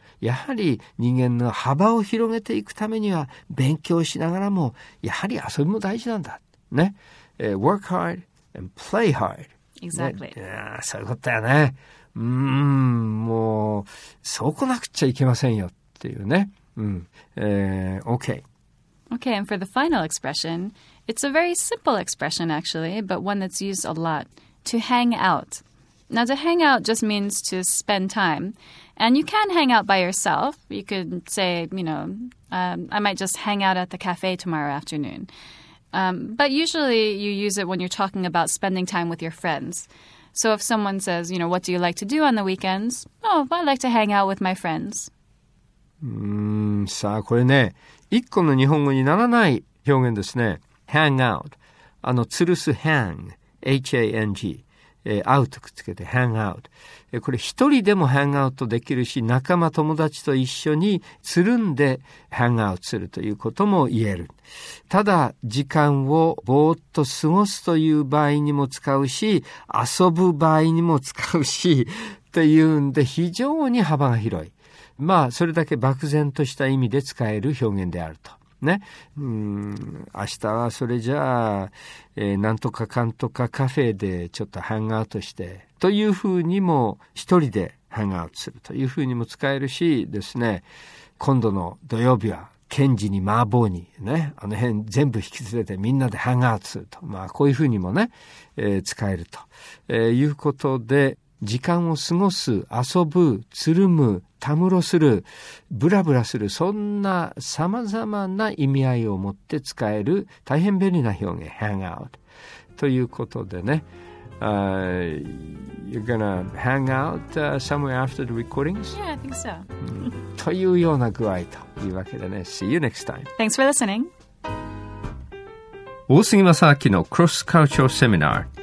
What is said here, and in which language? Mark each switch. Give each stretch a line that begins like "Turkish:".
Japanese: やはり人間の幅を広げていくためには勉強しながらもやはり遊びも大事なんだね。
English: Work hard and play hard。 Exactly、
Japanese: ね、そういうことだよね。もう、そうこなくっちゃいけませんよっていうね。うん。OK。
English: Okay, and for the final expression, it's a very simple expression, actually, but one that's used a lot, to hang out. Now, to hang out just means to spend time. And you can hang out by yourself. You could say, you know, I might just hang out at the cafe tomorrow afternoon. But usually you use it when you're talking about spending time with your friends. So if someone says, you know, what do you like to do on the weekends? Oh, I like to hang out with my friends.
Japanese: さあ、これね、一個の日本語にならない表現ですね。 Hang out。 あの、吊るす hang。H-A-N-G。 out くっつけて hang out。これ一人でも hang out できるし、仲間友達と一緒につるんで hang out するということも言える。ただ、時間をぼーっと過ごすという場合にも使うし、遊ぶ場合にも使うし、というんで非常に幅が広い。まあ、それだけ漠然とした意味で使える表現であると。ね。明日はそれじゃあ、なんとかかんとかカフェでちょっとハンガーとして、というふうにも一人でハンガーするというふうにも使えるしですね、今度の土曜日は、ケンジにマーボーにね、あの辺全部引き連れてみんなでハンガーすると。まあ、こういうふうにもね、使えると、いうことで、時間を過ごす、遊ぶ、つるむ、たむろする、ブラブラする、そんな様々な意味合いを持って使える大変便利な表現、hang out。ということでね、
English: You're gonna hang out somewhere after the recordings? Yeah, I think so.
Japanese: というような具合というわけでね、
English: See you next time. Thanks for listening.
Japanese: 大杉正明の Cross Cultural Seminar